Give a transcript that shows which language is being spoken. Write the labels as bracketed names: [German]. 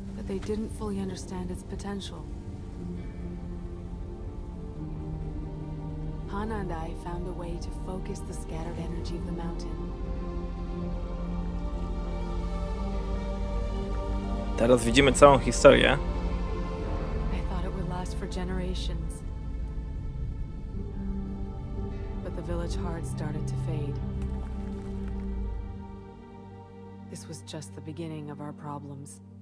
[English] they didn't fully understand its potential. Hana and I found a way to focus the scattered energy of the mountain. [Polish] Teraz widzimy całą historię. [English] I thought it would last for generations. But the village heart started to fade. This was just the beginning of our problems.